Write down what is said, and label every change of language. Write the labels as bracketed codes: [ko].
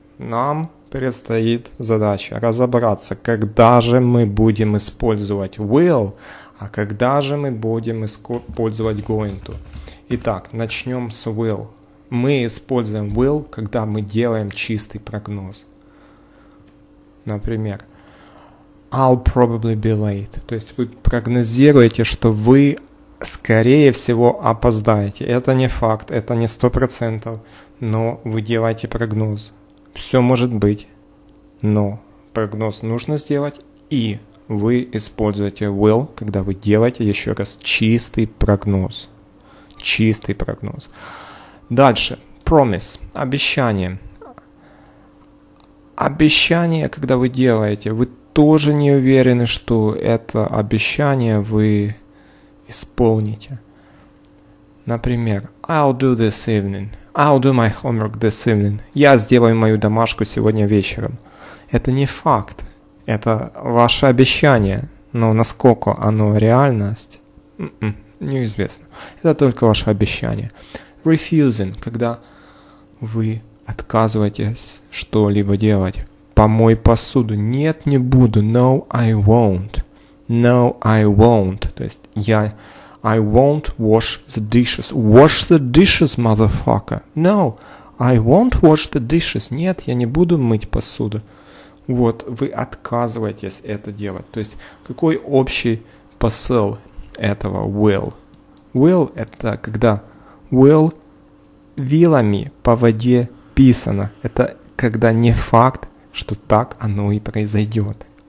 [ru] Нам предстоит задача разобраться, когда же мы будем использовать will, а когда же мы будем использовать going to. Итак, начнем с will. Мы используем will, когда мы делаем чистый прогноз. [en] Например, I'll probably be late. [ru] То есть вы прогнозируете, что вы скорее всего, опоздаете. Это не факт, это не 100%, но вы делаете прогноз. Все может быть, но прогноз нужно сделать, и вы используете will, когда вы делаете, еще раз, чистый прогноз. Чистый прогноз. Дальше. Promise. Обещание. Обещание, когда вы делаете, вы тоже не уверены, что это обещание вы исполните. [en] Например, I'll do this evening. I'll do my homework this evening. [ru] Я сделаю мою домашку сегодня вечером. Это не факт. Это ваше обещание. Но насколько оно реальность, неизвестно. Это только ваше обещание. Refusing, когда вы отказываетесь что-либо делать. Помой посуду. Нет, не буду. [en] No, I won't. No, I won't. [ru] То есть я... [en] I won't wash the dishes. Wash the dishes, motherfucker. No, I won't wash the dishes. [ru] Нет, я не буду мыть посуду. Вот, вы отказываетесь это делать. То есть, какой общий посыл этого will? Will – это когда will вилами по воде писано. Это когда не факт, что так оно и произойдет.